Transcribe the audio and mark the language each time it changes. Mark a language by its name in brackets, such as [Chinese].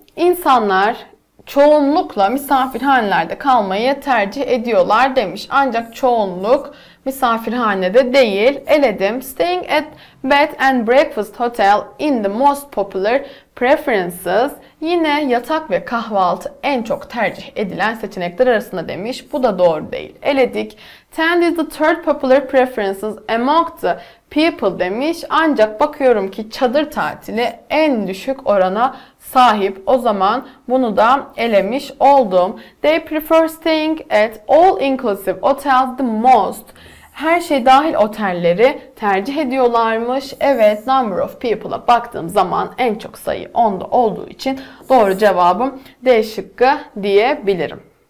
[Turkish] İnsanlar çoğunlukla misafirhanelerde kalmayı tercih ediyorlar demiş. Ancak çoğunluk misafirhanede değil. Eledim. [English] Staying at bed and breakfast hotel in the most popular preferences. [Turkish] Yine yatak ve kahvaltı en çok tercih edilen seçenekler arasında demiş. Bu da doğru değil. Eledik. [English] Tend is the third popular preferences among the people demiş. [Turkish] Ancak bakıyorum ki çadır tatili en düşük orana sahip. O zaman bunu da elemiş oldum. [English] They prefer staying at all inclusive hotels the most. [Turkish] Her şey dahil otelleri tercih ediyorlarmış. Evet, [English] number of people'a [Turkish] baktığım zaman en çok sayı 10'da olduğu için doğru cevabım D şıkkı diyebilirim.